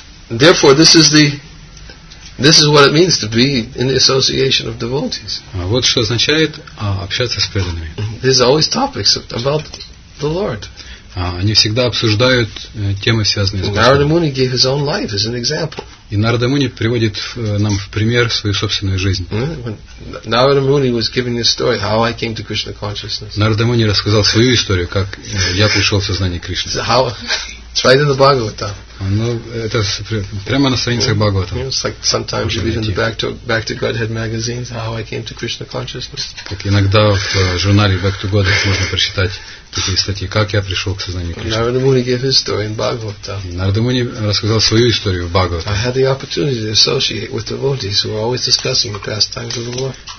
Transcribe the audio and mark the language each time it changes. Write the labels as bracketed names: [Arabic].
[English] Therefore, this is what it means to be in the association of devotees. [Russian] Вот что означает общаться с преданными. [English] There's always topics about the Lord. [Russian] Они всегда обсуждают темы, связанные с Господом. [English] Narada Muni gave his own life as an example. [Russian] И Narada Muni приводит нам в пример свою собственную жизнь. [English] Narada Muni was giving the story how I came to Krishna consciousness. [Russian] Narada Muni рассказал свою историю, как я пришел в сознание Кришны. [English] It's right in the Bhagavatam. [Russian] Ну, это прямо на страницах Бхагаватам. [English] It's like sometimes you read in the Back to Godhead magazines how I came to Krishna consciousness. [Russian] Как иногда в журнале Back to Godhead можно прочитать такие статьи, как я пришел к сознанию Кришны. [English] Narada Muni gave his story in Bhagavatam. [Russian] Narada Muni рассказал свою историю в Бхагаватам. [English] I had the opportunity to associate with devotees who were always discussing the pastimes of the Lord.